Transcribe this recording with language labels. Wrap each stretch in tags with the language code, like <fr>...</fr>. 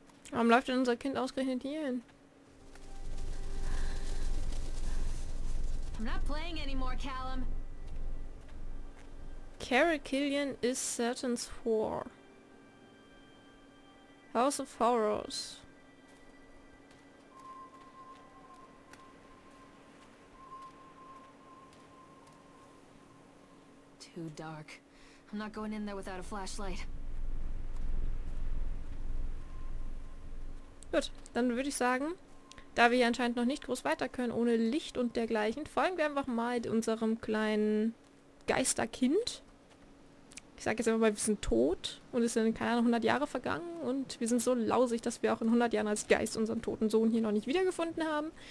<de>Warum läuft denn unser Kind ausgerechnet hier hin?</de> <en>I'm not playing anymore, Callum. Carol Killian is Saturn's whore. House of Horrors. Too dark. I'm not going in there without a flashlight.</en> <de>Gut, dann würde ich sagen, da wir hier anscheinend noch nicht groß weiter können ohne Licht und dergleichen, folgen wir einfach mal unserem kleinen Geisterkind. Ich sage jetzt einfach mal, wir sind tot und es sind keine Ahnung, 100 Jahre vergangen und wir sind so lausig, dass wir auch in 100 Jahren als Geist unseren toten Sohn hier noch nicht wiedergefunden haben.</de>